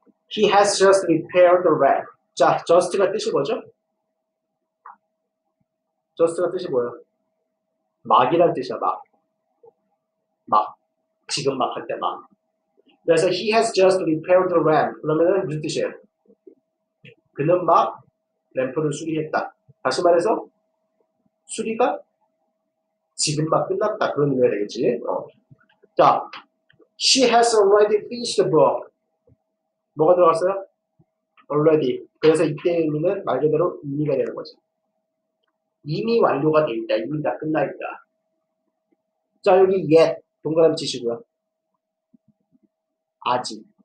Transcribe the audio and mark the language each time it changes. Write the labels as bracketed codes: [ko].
[en] He has just repaired the wreck. [ko] 자, just가 뜻이 뭐죠? just가 뜻이 뭐예요? 막이란 뜻이야, 막. 막. 지금 막 할 때 막. 그래서 [en] he has just repaired the ramp. [ko] 그러면은 무슨 뜻이에요? 그는 막 램프를 수리했다. 다시 말해서 수리가 지금 막 끝났다. 그런 의미가 되겠지. 어. [en] 자, she has already finished the book. [ko] 뭐가 들어갔어요? already. 그래서 이때의 의미는 말 그대로 의미가 되는 거죠. 이미 완료가 돼 있다. 이미 다 끝나 있다. 자, 여기 yet. 동그라미 치시고요. 아직.